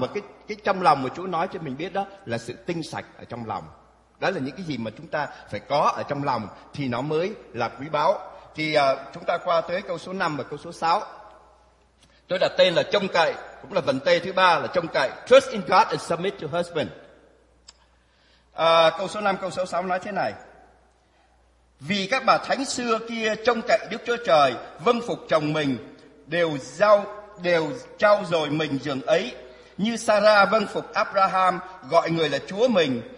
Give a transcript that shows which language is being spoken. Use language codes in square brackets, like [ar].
[vi] Và cái trong lòng mà Chúa nói cho mình biết đó là sự tinh sạch ở trong lòng. Đó là những cái gì mà chúng ta phải có ở trong lòng thì nó mới là quý báu. Thì chúng ta qua tới câu số 5 và câu số 6. Tôi đặt tên là trông cậy, cũng là vần T thứ 3 là trông cậy. [en] Trust in God and submit to husband. [vi] Câu số 5, câu số 6 nói thế này: vì các bà thánh xưa kia trông cậy Đức Chúa Trời, vâng phục chồng mình, đều trao dồi mình giường ấy, như Sarah vâng phục Abraham, gọi người là chúa mình.